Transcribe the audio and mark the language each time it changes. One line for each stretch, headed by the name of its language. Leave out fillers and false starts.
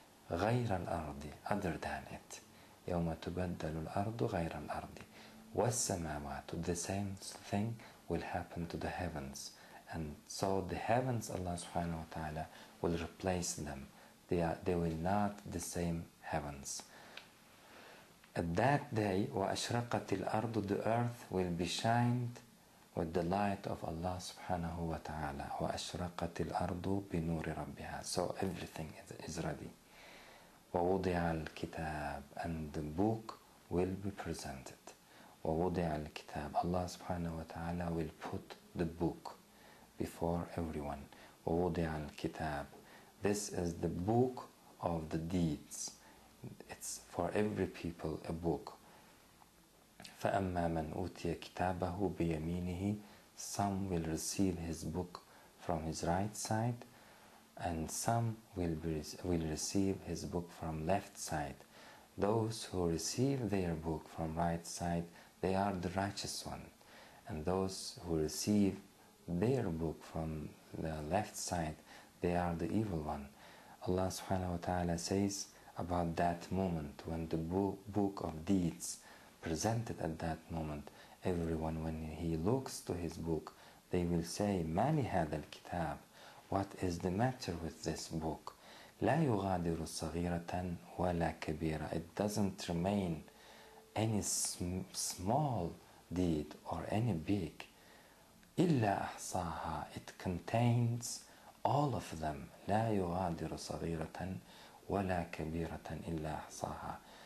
Arabic: غير الأرض,
English: other than it.
Arabic: يوم تبدل الأرض غير الأرض. والسماوات,
English: the same thing will happen to the heavens. And so the heavens, Allah subhanahu wa ta'ala will replace them. They will not the same heavens. At that day,
Arabic: وأشرقت الأرض,
English: the earth will be shined with the light of Allah subhanahu wa ta'ala.
Arabic: وأشرقت الأرض بنور ربها.
English: So everything is ready.
Arabic: ووضع الكتاب,
English: and the book will be presented.
Arabic: ووضع الكتاب,
English: Allah subhanahu wa ta'ala will put the book before everyone.
Arabic: ووضع الكتاب.
English: This is the book of the deeds. It's for every people a book.
Arabic: فأما من أوتي كتابه بيمينه.
English: Some will receive his book from his right side, and some will receive his book from left side. Those who receive their book from right side, they are the righteous one. And those who receive their book from the left side, they are the evil one. Allah subhanahu wa ta'ala says about that moment when the book of deeds presented, at that moment everyone, when he looks to his book, they will say,
Arabic: ما لهذا الكتاب,
English: what is the matter with this book.
Arabic: لا يغادر صغيرة ولا كبيرة.
English: It doesn't remain any small deed or any big.
Arabic: إِلَّا أَحْصَاهَا.
English: It contains all of them.
Arabic: لَا يُغَادِرُ صَغِيرَةً وَلَا كَبِيرَةً إِلَّا أَحْصَاهَا.